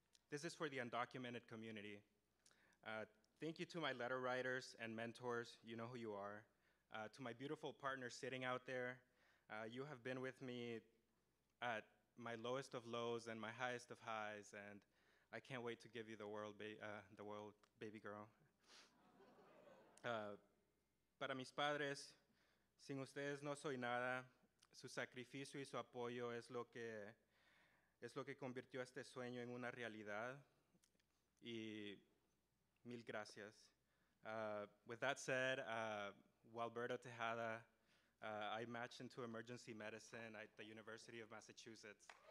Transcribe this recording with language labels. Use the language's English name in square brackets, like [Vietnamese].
[English] This is for the undocumented community. Thank you to my letter writers and mentors. You know who you are. To my beautiful partner sitting out there. You have been with me at my lowest of lows and my highest of highs, and I can't wait to give you the world, baby girl. [Spanish] Para mis padres, sin ustedes no soy nada. Su sacrificio y su apoyo es lo que convirtió este sueño en una realidad. Y mil gracias. [English] With that said, Walberto Tejada, I matched into emergency medicine at the University of Massachusetts.